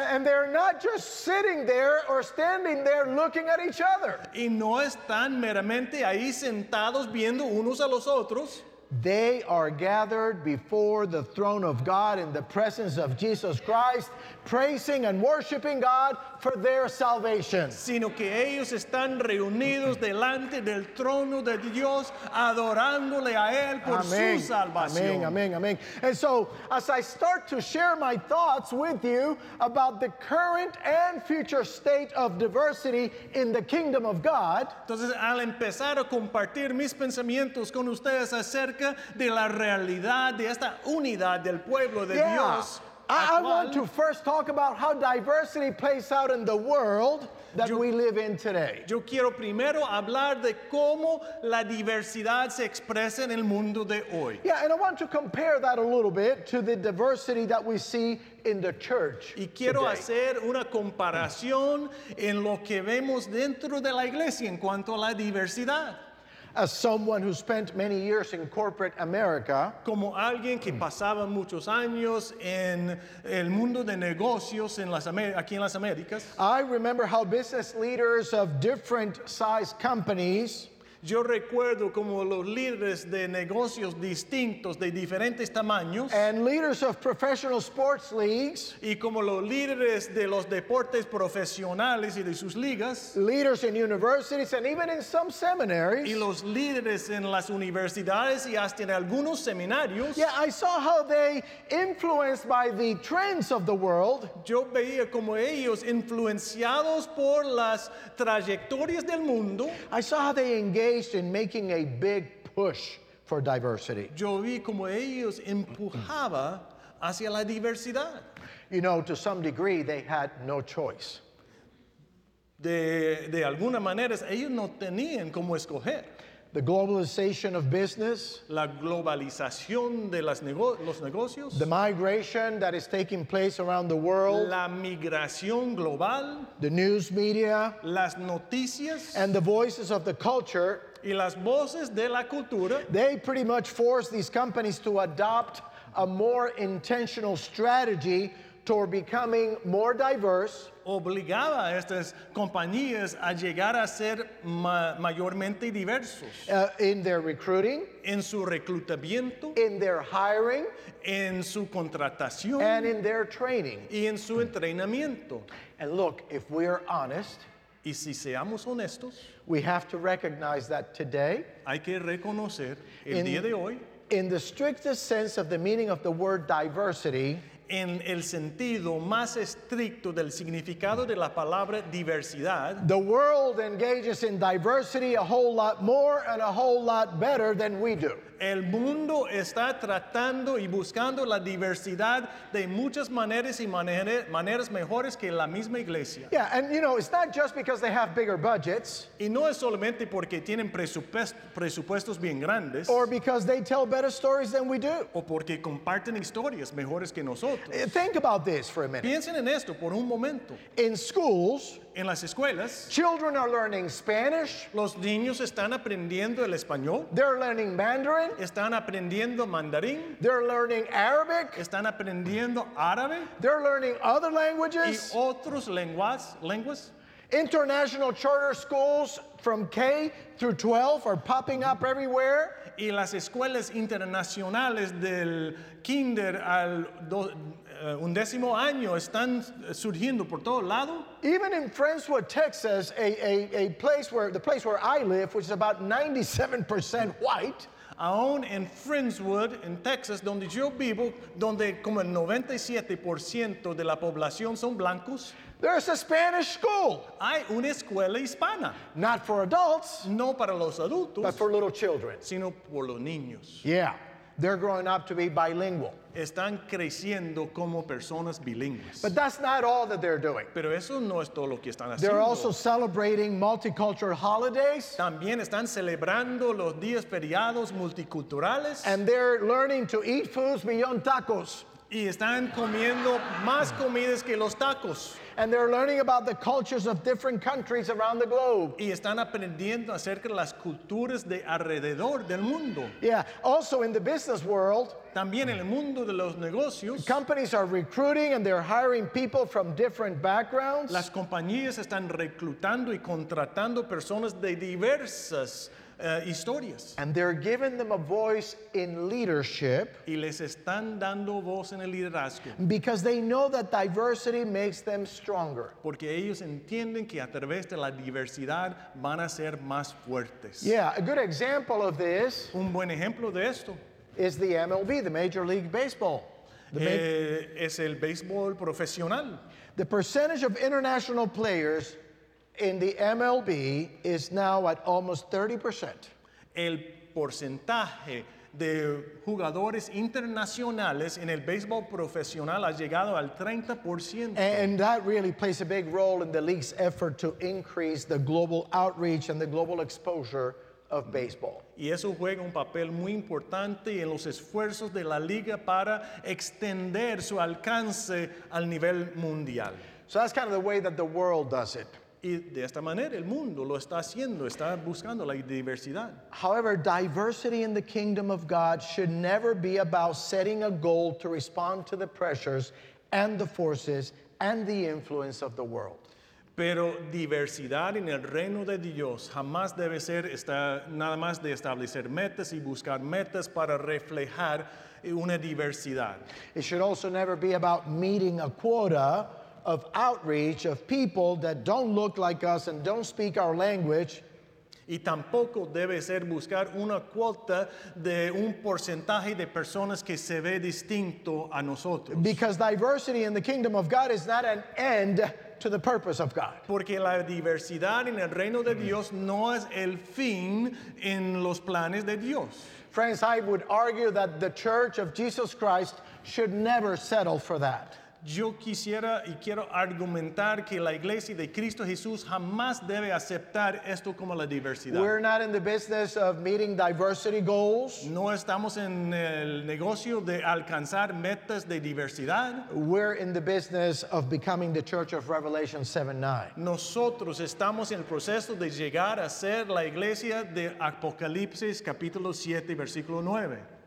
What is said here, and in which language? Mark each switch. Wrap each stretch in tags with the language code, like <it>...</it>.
<en>And they're not just sitting there or standing there looking at each other.</en> <es>Y no están meramente ahí sentados viendo unos a los otros.</es> <en>They are gathered before the throne of God in the presence of Jesus Christ, praising and worshiping God for their salvation.</en> <es>Sino que ellos están reunidos delante del trono de Dios, adorándole a él por amen. Su salvación. Amen, amen, amen.</es> <en>And so, as I start to share my thoughts with you about the current and future state of diversity in the kingdom of God,</en> <es>entonces al empezar a compartir mis pensamientos con ustedes acerca de la realidad de esta unidad del pueblo de Dios.</es> <en>I want to first talk about how diversity plays out in the world that we live in today.</en> <es>Yo quiero primero hablar de cómo la diversidad se expresa en el mundo de hoy.</es> <en>Yeah, and I want to compare that a little bit to the diversity that we see in the church.</en> <es>Y quiero</es> <en>today.</en> <es>Hacer una comparación en lo que vemos dentro de la iglesia en cuanto a la diversidad.</es> <en>As someone who spent many years in corporate America,</en> <es>como alguien que pasaba muchos años en el mundo de negocios en las aquí en las Américas,</es> <en>I remember how business leaders of different size companies,</en> <es>yo recuerdo como los líderes de negocios distintos de diferentes tamaños,</es> <en>and leaders of professional sports leagues,</en> <es>y como los líderes de los deportes profesionales y de sus ligas,</es> <en>leaders in universities and even in some seminaries,</en> <es>y los líderes en las universidades y hasta en algunos seminarios.</es> <en>Yeah, I saw how they influenced by the trends of the world.</en> <es>Yo veía como ellos influenciados por las trayectorias del mundo.</es> <en>I saw how they engaged in making a big push for diversity.</en> <es>Yo vi como ellos empujaba hacia la diversidad.</es> <en>You know, to some degree, they had no choice.</en> <es>De alguna manera, ellos no tenían como escoger.</es> <en>The globalization of business,</en> <es>la globalización de los negocios,</es> <en>the migration that is taking place around the world,</en> <es>la migración global,</es> <en>the news media,</en> <es>las noticias,</es> <en>and the voices of the culture,</en> <es>y las voces de la cultura,</es> <en>they pretty much force these companies to adopt a more intentional strategy toward becoming more diverse.</en> <es>Obligaba a estas compañías a llegar a ser mayormente diversos.</es> <en>In their recruiting,</en> <es>en su reclutamiento,</es> <en>in their hiring,</en> <es>en su contratación,</es> <en>and in their training,</en> <es>y en su entrenamiento.</es> <en>And look, if we are honest,</en> <es>y si seamos honestos,</es> <en>we have to recognize that today,</en> <es>hay que reconocer el día de hoy,</es> <en>in the strictest sense of the meaning of the word diversity,</en> <es>en el sentido más estricto del significado de la palabra diversidad.</es> <en>The world engages in diversity a whole lot more and a whole lot better than we do.</en> <es>El mundo está tratando y buscando la diversidad de muchas maneras y maneras mejores que la misma iglesia.</es> <en>Yeah, and you know, it's not just because they have bigger budgets.</en> <es>Y no es solamente porque tienen presupuestos bien grandes.</es> <en>Or because they tell better stories than we do.</en> <es>O porque comparten historias mejores que nosotros.</es> <en>Think about this for a minute.</en> <es>Piensen en esto por un momento.</es> <en>In schools,</en> <es>en las escuelas,</es> <en>children are learning Spanish.</en> <es>Los niños están aprendiendo el español.</es> <en>They're learning Mandarin.</en> <es>Están aprendiendo mandarín.</es> <en>They're learning Arabic.</en> <es>Están aprendiendo árabe.</es> <en>They're learning other languages.</en> <es>Y otros lenguas.</es> <en>International charter schools from K through 12 are popping up everywhere.</en> <es>Y las escuelas internacionales del kinder al undécimo año están surgiendo por todo lado.</es> <en>Even in Friendswood, Texas, the place where I live, which is about 97% white.</en> <es>Aún en Friendswood, en Texas, donde yo vivo, donde como el 97% de la población son blancos.</es> <en>There's a Spanish school.</en> <es>Hay una escuela hispana.</es> <en>Not for adults.</en> <es>No para los adultos.</es> <en>But for little children.</en> <es>Sino por los niños.</es> <en>Yeah. They're growing up to be bilingual.</en> <es>Están creciendo como personas bilingües.</es> <en>But that's not all that they're doing.</en> <es>Pero eso no es todo lo que están haciendo.</es> <en>They're also celebrating multicultural holidays.</en> <es>También están celebrando los días feriados multiculturales.</es> <en>And they're learning to eat foods beyond tacos.</en> <es>Y están comiendo más comidas que los tacos.</es> <en>And they're learning about the cultures of different countries around the globe.</en> <es>Y están aprendiendo acerca de las culturas de alrededor del mundo.</es> <en>Yeah, also in the business world,</en> <es>también en el mundo de los negocios,</es> <en>companies are recruiting and they're hiring people from different backgrounds.</en> <es>Las compañías están reclutando y contratando personas de diversas historias.</es> <en>And they're giving them a voice in leadership.</en> <es>Y les están dando voz en el liderazgo.</es> <en>Because they know that diversity makes them stronger.</en> <es>Porque ellos entienden que a través de la diversidad van a ser más fuertes.</es> <en>Yeah, a good example of this.</en> <es>Un buen ejemplo de esto.</es> <en>Is the MLB, the Major League Baseball.</en> <es>Es el béisbol profesional.</es> <en>The percentage of international players in the MLB is now at almost 30%.</en> <es>El porcentaje de jugadores internacionales en el béisbol profesional ha llegado al 30%.</es> <en>And that really plays a big role in the league's effort to increase the global outreach and the global exposure of baseball.</en> <es>Y eso juega un papel muy importante en los esfuerzos de la liga para extender su alcance al nivel mundial.</es> <en>So that's kind of the way that the world does it.</en> <es>Y de esta manera el mundo lo está haciendo, está buscando la diversidad.</es> <en>However, diversity in the kingdom of God should never be about setting a goal to respond to the pressures and the forces and the influence of the world.</en> <es>Pero diversidad en el reino de Dios jamás debe ser nada más de establecer metas y buscar metas para reflejar una diversidad.</es> <en>It should also never be about meeting a quota of outreach of people that don't look like us and don't speak our language.</en> <es>Y tampoco debe ser buscar una cuota de un porcentaje de personas que se ve distinto a nosotros.</es> <en>Because diversity in the kingdom of God is not an end to the purpose of God.</en> <es>Porque la diversidad en el reino de Dios no es el fin en los planes de Dios.</es> <en>Friends, I would argue that the Church of Jesus Christ should never settle for that.</en> <es>Yo quisiera y quiero argumentar que la iglesia de Cristo Jesús jamás debe aceptar esto como la diversidad.</es> <en>We're not in the business of meeting diversity goals.</en> <es>No estamos en el negocio de alcanzar metas de diversidad.</es> <en>We're in the business of becoming the church of Revelation 7:9.</en> <es>Nosotros estamos en el proceso de llegar a ser la iglesia de Apocalipsis capítulo 7 versículo 9.</es>